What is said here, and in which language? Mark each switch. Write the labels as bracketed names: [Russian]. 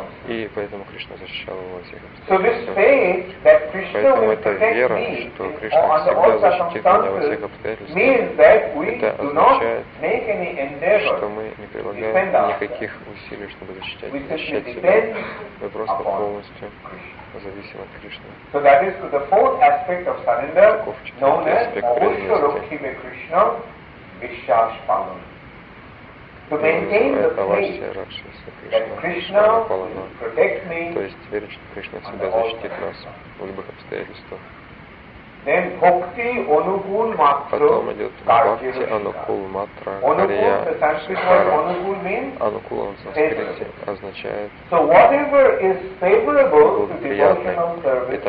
[Russian] И поэтому Кришна защищал его всех. Поэтому эта вера, что Кришна всегда защитит меня во всех обстоятельствах, это означает, что мы не прилагаем никаких усилий, чтобы защищать себя. Мы просто полностью зависим от Кришны. [English] So that is to the fourth aspect of surrender, known as Mahusya Rokhime Krishna Vishash Palam. To maintain the faith that Krishna will protect me, [Russian] то есть верить, что Кришна всегда защитит нас в любых обстоятельствах. [English] Then bhakti anukul matra. [Russian] Потом идет bhakti anukul matra. [Sanskrit] Anukul [Russian] в санскрите означает. [English] So whatever is favorable to devotional service.